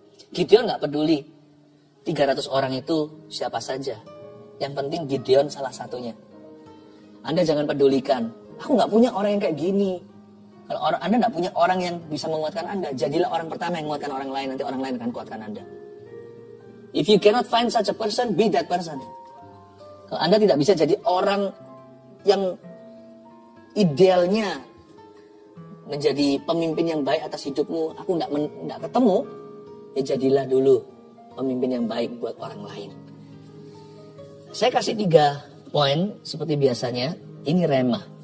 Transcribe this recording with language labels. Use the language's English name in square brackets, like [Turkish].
[Indonesian] Gideon gak peduli 300 orang itu siapa saja. Yang penting Gideon salah satunya. Anda jangan pedulikan, aku gak punya orang yang kayak gini. Kalau Anda gak punya orang yang bisa menguatkan Anda, jadilah orang pertama yang menguatkan orang lain, nanti orang lain akan kuatkan Anda. [English] If you cannot find such a person, be that person. [Indonesian] Kalau Anda tidak bisa jadi orang yang idealnya menjadi pemimpin yang baik atas hidupmu, aku gak ketemu, ya jadilah dulu pemimpin yang baik buat orang lain. Saya kasih 3 poin seperti biasanya. Ini rema.